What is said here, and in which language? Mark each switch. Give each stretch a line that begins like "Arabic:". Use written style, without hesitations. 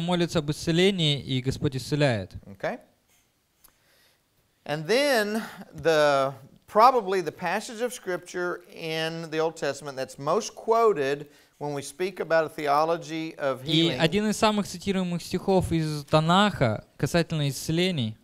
Russian: Молится об исцелении, и Господь исцеляет.
English: Okay. And then the probably the passage of scripture in the Old Testament that's most quoted when we speak about a theology of healing.
Russian: И один из самых цитируемых стихов из Танаха касательно исцелений.